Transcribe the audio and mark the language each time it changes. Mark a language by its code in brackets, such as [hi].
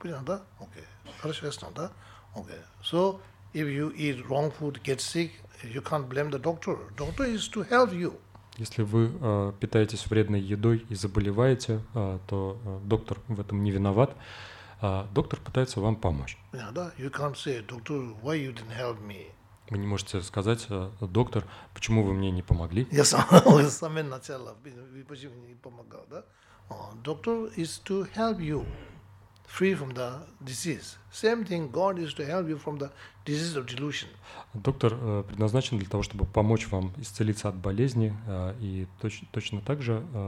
[ru] Понятно, да? Окей. Хорошо, ясно, да? [en] Okay, so if you eat wrong food, get sick, you can't blame the doctor. Doctor is to help you. [ru] Если вы питаетесь вредной едой и заболеваете, то доктор в этом не виноват. Доктор пытается вам помочь. [en] Yeah, да. You can't say, doctor, why you didn't help me? [ru] Вы не можете сказать, доктор, почему вы мне не помогли? Я сам начал, почему не помогал, да? [en] Doctor is to help you. Free from the disease. Same thing. God is to help you from the disease of delusion. [ru] Доктор предназначен для того, чтобы помочь вам исцелиться от болезни, и точно так же